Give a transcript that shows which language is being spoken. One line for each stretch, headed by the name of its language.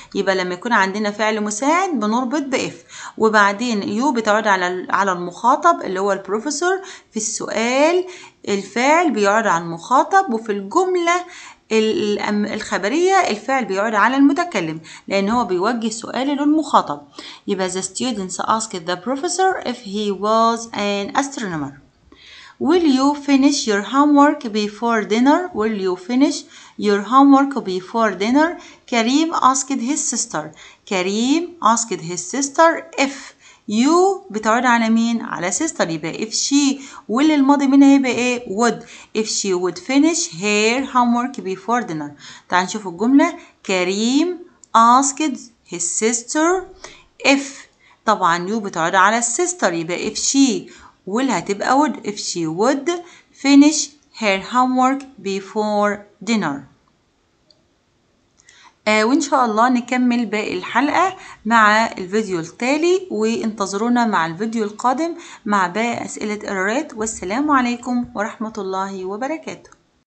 Arabic: يبقى لما يكون عندنا فعل مساعد بنربط بإف، وبعدين يو بتعود على المخاطب اللي هو البروفيسور. في السؤال الفعل بيعود على المخاطب، وفي الجملة الخبرية الفعل بيعود على المتكلم لأن هو بيوجه سؤال للمخاطب.
English: يبقى the students asked the professor if he was an astronomer. Will you finish your homework before dinner? Will you finish your homework before dinner? Karim asked his sister. Karim asked his sister if you
Arabic: بتعود على مين؟ على
English: sister.
Arabic: يبقى
English: if she will
Arabic: الماضي منها هيبقى ايه؟ would.
English: if she would finish her homework before dinner.
Arabic: تعال نشوف الجملة.
English: Karim asked his sister if. طبعا you
Arabic: بتعود على
English: sister. يبقى if she will هتبقى would. if she would finish her homework before dinner.
Arabic: وإن شاء الله نكمل باقي الحلقة مع الفيديو التالي، وانتظرونا مع الفيديو القادم مع باقي أسئلة الرات. والسلام عليكم ورحمة الله وبركاته.